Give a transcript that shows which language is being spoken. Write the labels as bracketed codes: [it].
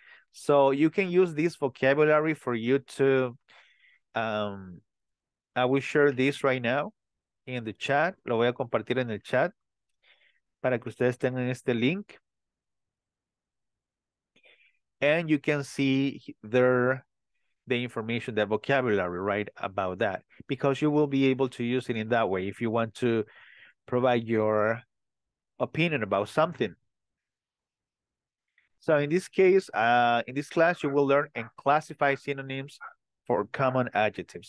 [en] So you can use this vocabulary for you to, I will share this right now in the chat. [es] Lo voy a compartir en el chat para que ustedes tengan este link. [en] And you can see there the information, the vocabulary, right, about that, because you will be able to use it in that way if you want to provide your opinion about something. So in this case, in this class, you will learn and classify synonyms for common adjectives.